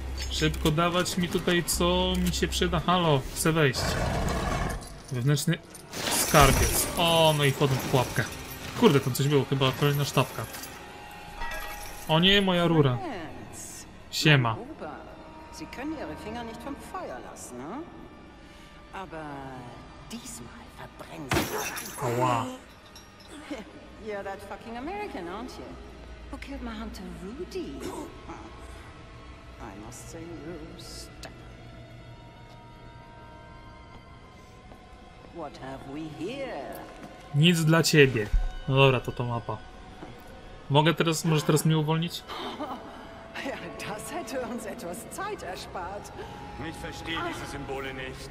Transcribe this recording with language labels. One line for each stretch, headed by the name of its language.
Polish: Szybko dawać mi tutaj, co mi się przyda. Halo, chcę wejść. Wewnętrzny skarbiec. O, no i wchodzę w pułapkę. Kurde, tam coś było, chyba kolejna sztabka. O nie, moja rura. Siema.
German: Sie können ihre Finger nicht vom Feuer lassen, ne? Aber diesmal verbrennen sie das Feuer. Aua.
English: You're that fucking American, aren't you? Who killed my hunter Rudy? I must say you stuck. What have we here?
Polish: Nic dla ciebie. No dobra, to ta mapa. Mogę teraz, możesz teraz mnie uwolnić?
German: Ja, das hätte uns etwas Zeit erspart. Ich verstehe diese Symbole nicht.